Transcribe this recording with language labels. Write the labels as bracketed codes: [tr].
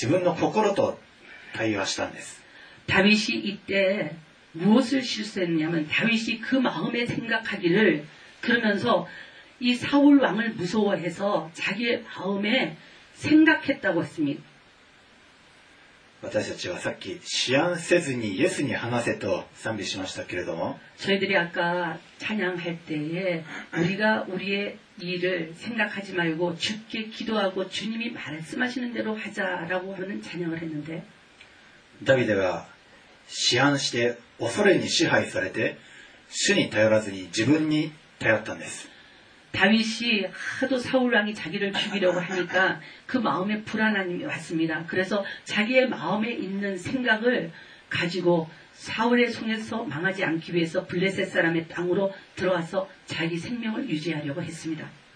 [ja] つまりダビデは心の中で恐れて自分の心と対話したんです。 [ko] 다윗이 이때 무엇을 실수했냐면 다윗이 그 마음에 생각하기를 그러면서 이 사울 왕을 무서워해서 자기의 마음에 생각했다고 했습니다. [ja] 私たちはさっき思案せずにイエスに話せと賛美しましたけれども [ko] 저희들이 아까 찬양할 때에 우리가 우리의 일을 생각하지 말고 주께 기도하고 주님이 말씀하시는 대로 하자라고 하는 찬양을 했는데 [ja] 다윗이가 思案して恐れに支配されて主に頼らずに自分に頼ったんです。 [ko] 다윗이 하도 사울왕이 자기를 죽이려고 하니까 그 마음에 불안함이 왔습니다. 그래서 자기의 마음에 있는 생각을 가지고 사울의 손에서 망하지 않기 위해서 블레셋 사람의 땅으로 들어와서 자기 생명을 유지하려고 했습니다.